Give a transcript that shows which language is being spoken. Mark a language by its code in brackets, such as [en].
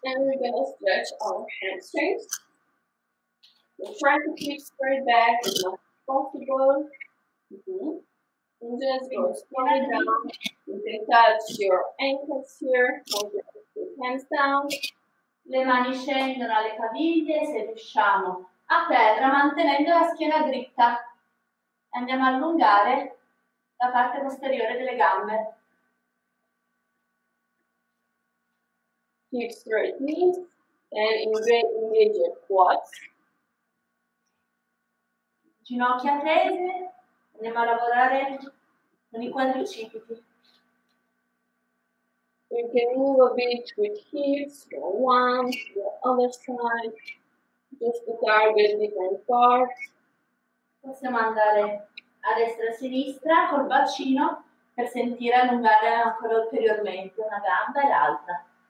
[en] And we're going to stretch our hamstrings. We'll try to keep straight back as much as possible. Mm-hmm. And just go slowly down. You can touch your ankles here, hold your hands down. [it] Le mani scendono alle caviglie, se riusciamo a terra mantenendo la schiena dritta. Andiamo a allungare la parte posteriore delle gambe. [en] Keep straight knees and engage your quads. [it] Ginocchia tese, andiamo a lavorare con i quadricipiti. [en] You can move a bit with hips, go one, go other side, just to target different parts. [it] Possiamo andare a destra e a sinistra col bacino per sentire allungare ancora ulteriormente una gamba e l'altra.